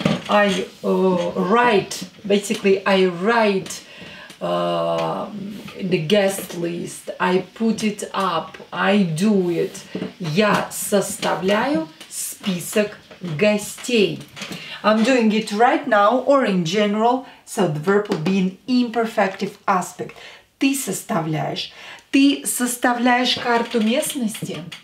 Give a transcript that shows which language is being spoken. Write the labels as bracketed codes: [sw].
[en] I write, basically, I write the guest list. I put it up. I do it. [ru] Я составляю список гостей. [en] I'm doing it right now or in general, so the verb will be in imperfective aspect. [ru] Ты составляешь. Ты составляешь карту местности?